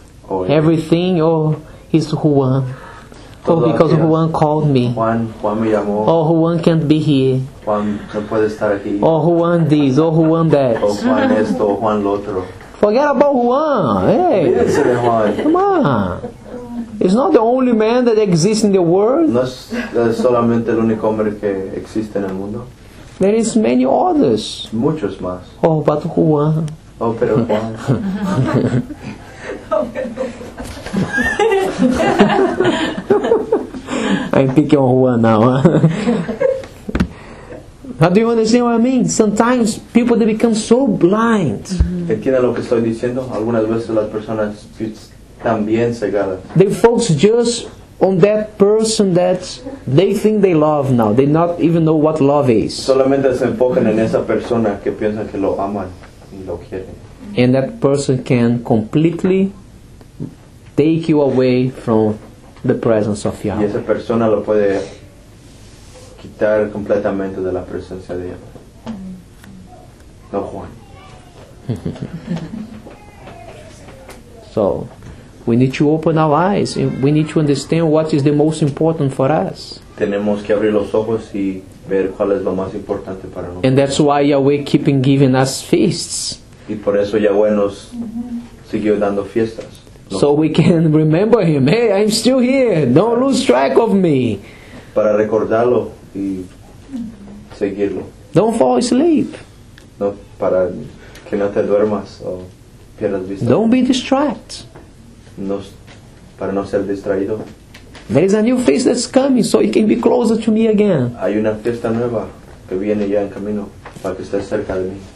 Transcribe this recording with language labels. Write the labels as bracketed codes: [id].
[en] Everything, oh, it's Juan. [es] Todo [en] oh, because [es] aquí, [en] Juan called me. [es] Juan me llamó. [en] Oh, Juan can't be here. [es] Juan no puede estar aquí. [en] Oh, Juan this, oh, Juan that. [es] Oh, Juan esto, oh, Juan lo otro. [en] Forget about Juan, hey. Come on. It's not the only man that exists in the world. [es] No es solamente el único hombre que existe en el mundo. [en] There is many others. [es] Muchos más. [en] Oh, but Juan. [es] Oh, pero Juan. [en] I'm picking on Juan now. How do you understand what I mean? Sometimes people, they become so blind. [es] ¿Entienden lo que estoy diciendo? Algunas veces las personas están bien cegadas. [en] They focus just on that person that they think they love now. They not even know what love is. [es] Solamente se enfocan en esa persona que piensan que lo aman y lo quieren. [en] And that person can completely take you away from the presence of Yahweh. [es] Y esa persona lo puede quitar completamente de la presencia de Yahweh. No Juan. [en] So, we need to open our eyes and we need to understand what is the most important for us. [es] Tenemos que abrir los ojos y ver cuál es lo más importante para nosotros. [en] And that's why Yahweh keeping giving us feasts. [es] Y por eso Yahweh nos siguió dando fiestas. [en] So we can remember him. Hey, I'm still here. Don't lose track of me. [es] Para recordarlo y seguirlo. [en] Don't fall asleep. [es] No, para que no te duermas o pierdas vista. [en] Don't be distracted. [es] No, para no ser distraído. [en] There is a new face that's coming, so you can be closer to me again. [es] Hay una fiesta nueva que viene ya en camino para que estés cerca de mí.